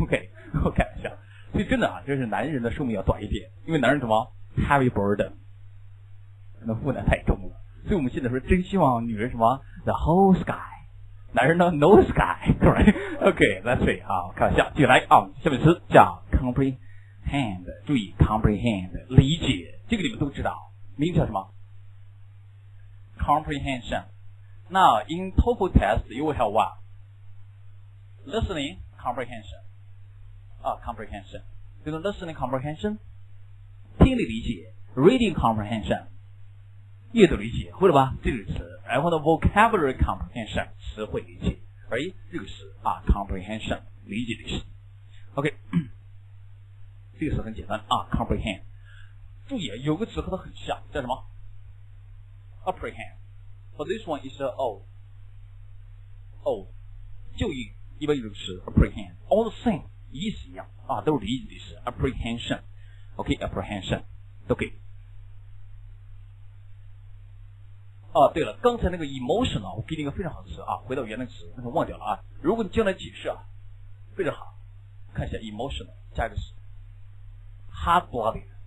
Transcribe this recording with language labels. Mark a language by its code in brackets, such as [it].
[zh] OK， 我开玩笑，所以真的啊，就是男人的寿命要短一点，因为男人什么 [en] heavy burden， [zh] 可能负担太重了，所以我们现在说真希望女人什么 [en] the whole sky， [zh] 男人呢 [en] no sky， [zh] right? OK， [en] let's see [zh] 啊，开玩笑，继续来啊，下面词叫 comprehend， 注意 comprehend 理解，这个你们都知道。名字叫什么 ？Comprehension. [en] Now in TOEFL test, you will have what? Listening comprehension. Comprehension. You know, listening comprehension. [zh] 听力理解 ， [en] reading comprehension. [zh] 阅读理解，会了吧？这个词。然后呢 ， [en] vocabulary comprehension， [zh] 词汇理解。哎，这个词啊 ，comprehension， 理解的意思。 OK， 这个词很简单啊 ，comprehend。注意，有个词和它很像，叫什么 ？apprehend。 [en] But this one is an old， [zh] 就义一般用的词 [en] apprehend。 All the same， [zh] 意思一样啊，都是理解的意思。Apprehension， OK， apprehension， OK。啊，对了，刚才那个 emotional， 我给你一个非常好的词啊，回到原来词，那个忘掉了啊。如果你将来解释啊，非常好，看一下 emotional 加一个词 ，hot blooded。